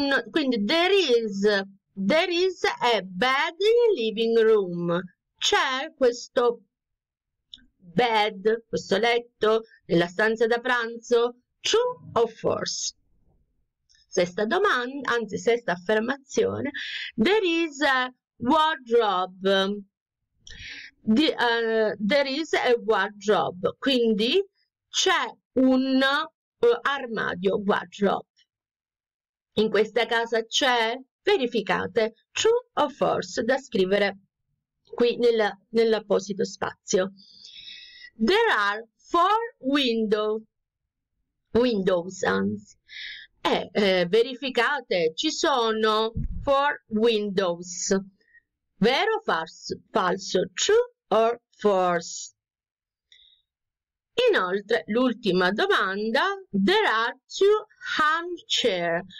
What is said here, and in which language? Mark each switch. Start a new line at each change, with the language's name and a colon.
English: Quindi there is a bed in living room.
Italian: C'è questo bed, questo letto nella stanza da pranzo? True o false? Sesta domanda, anzi sesta affermazione.
English: There is a wardrobe. There is a wardrobe.
Italian: Quindi c'è un armadio, wardrobe. In questa casa c'è? Verificate, true o false, da scrivere qui nell'apposito spazio.
English: There are four windows, anzi.
Italian: Verificate, ci sono
English: four windows.
Italian: Vero o falso?
English: True or false?
Italian: Inoltre, l'ultima domanda,
English: there are two armchair.